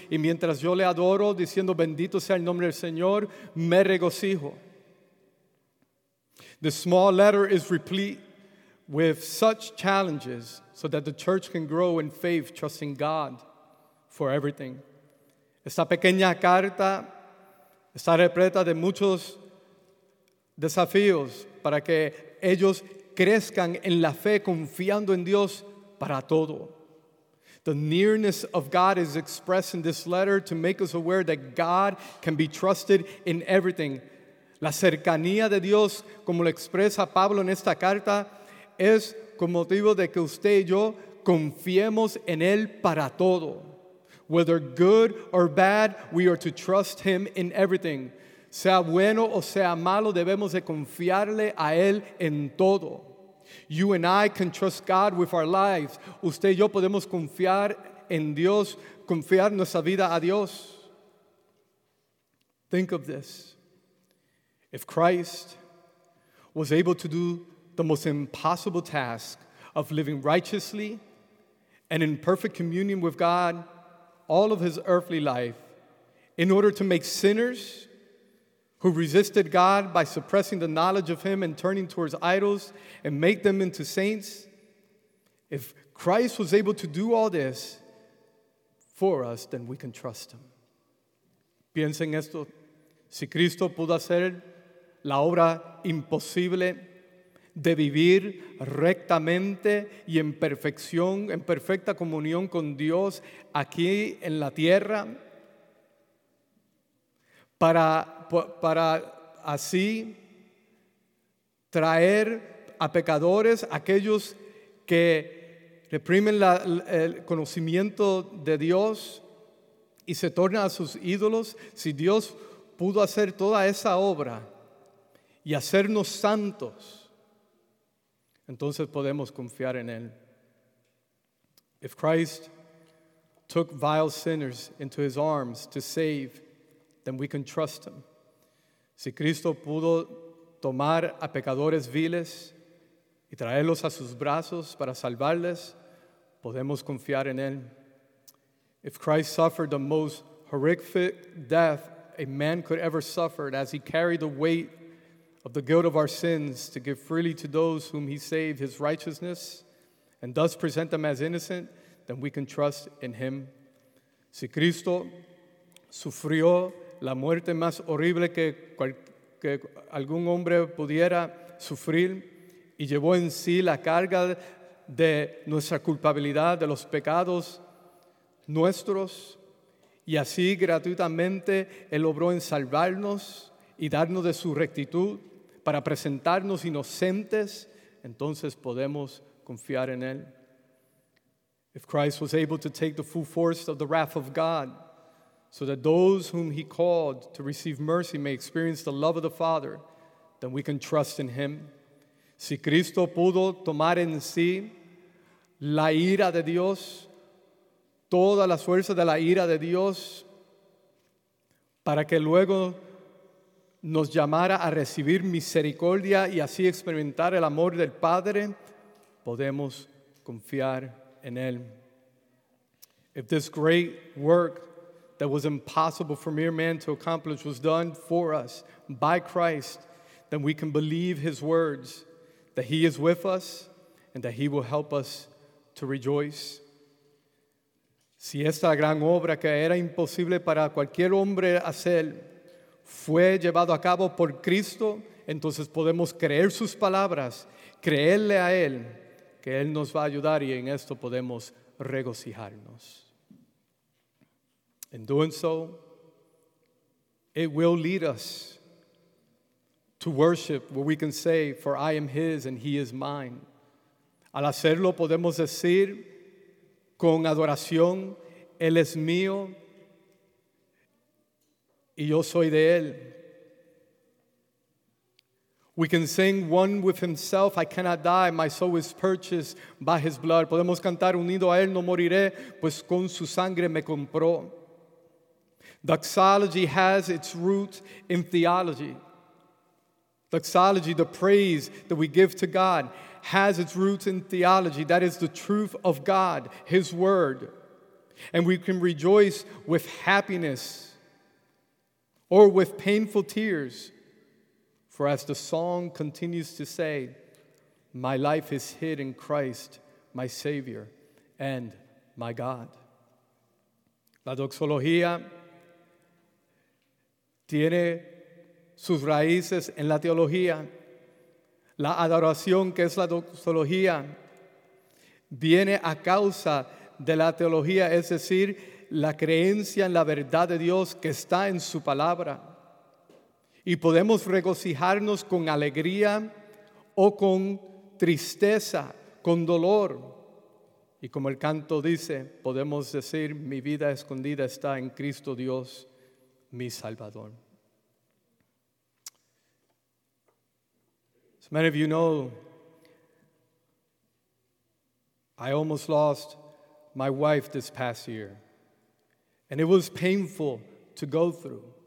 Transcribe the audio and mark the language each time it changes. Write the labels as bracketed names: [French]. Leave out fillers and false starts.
[Spanish] Y mientras yo le adoro, diciendo, bendito sea el nombre del Señor, me regocijo. [English] The small letter is replete with such challenges so that the church can grow in faith, trusting God for everything. [Spanish] Esta pequeña carta está repleta de muchos desafíos para que ellos crezcan en la fe, confiando en Dios para todo. [English] The nearness of God is expressed in this letter to make us aware that God can be trusted in everything. [Spanish] La cercanía de Dios, como lo expresa Pablo en esta carta, es con motivo de que usted y yo confiemos en Él para todo. [English] Whether good or bad, we are to trust Him in everything. [Spanish] Sea bueno o sea malo, debemos de confiarle a Él en todo. [English] You and I can trust God with our lives. [Spanish] Usted y yo podemos confiar en Dios, confiar nuestra vida a Dios. [English] Think of this. If Christ was able to do the most impossible task of living righteously and in perfect communion with God all of his earthly life in order to make sinners who resisted God by suppressing the knowledge of him and turning towards idols and make them into saints, if Christ was able to do all this for us, then we can trust him. [Spanish] Piensen esto. Si Cristo pudo hacer la obra imposible de vivir rectamente y en perfección, en perfecta comunión con Dios aquí en la tierra, para así traer a pecadores, aquellos que reprimen el conocimiento de Dios y se tornan a sus ídolos, si Dios pudo hacer toda esa obra y hacernos santos, entonces podemos confiar en Él. [English] If Christ took vile sinners into his arms to save, then we can trust him. [Spanish] Si Cristo pudo tomar a pecadores viles y traerlos a sus brazos para salvarles, podemos confiar en Él. [English] If Christ suffered the most horrific death a man could ever suffer as he carried the weight of the guilt of our sins to give freely to those whom he saved his righteousness and thus present them as innocent, then we can trust in him. [Spanish] Si Cristo sufrió la muerte más horrible que algún hombre pudiera sufrir y llevó en sí la carga de nuestra culpabilidad, de los pecados nuestros, y así gratuitamente él obró en salvarnos y darnos de su rectitud, para presentarnos inocentes, entonces podemos confiar en Él. [English] If Christ was able to take the full force of the wrath of God, so that those whom He called to receive mercy may experience the love of the Father, then we can trust in Him. [Spanish] Si Cristo pudo tomar en sí la ira de Dios, toda la fuerza de la ira de Dios, para que luego nos llamara a recibir misericordia y así experimentar el amor del Padre, podemos confiar en Él. [English] If this great work that was impossible for mere man to accomplish was done for us by Christ, then we can believe His words that He is with us and that He will help us to rejoice. [Spanish] Si esta gran obra que era imposible para cualquier hombre hacer fue llevado a cabo por Cristo, entonces podemos creer sus palabras, creerle a Él, que Él nos va a ayudar y en esto podemos regocijarnos. [English] In doing so, it will lead us to worship, where we can say, "For I am His and He is mine." [Spanish] Al hacerlo, podemos decir con adoración, "Él es mío y yo soy de Él." [English] We can sing, "One with Himself, I cannot die, my soul is purchased by His blood." [Spanish] Podemos cantar, "Unido a Él no moriré, pues con su sangre me compró." [English] Doxology has its root in theology. Doxology, the praise that we give to God, has its roots in theology. That is the truth of God, His word. And we can rejoice with happiness or with painful tears. For as the song continues to say, "My life is hid in Christ, my Savior and my God." [Spanish] La doxología tiene sus raíces en la teología. La adoración, que es la doxología, viene a causa de la teología, es decir, la creencia en la verdad de Dios que está en su palabra. Y podemos regocijarnos con alegría o con tristeza, con dolor. Y como el canto dice, podemos decir, "Mi vida escondida está en Cristo Dios, mi Salvador." [English] As many of you know, I almost lost my wife this past year. And it was painful to go through.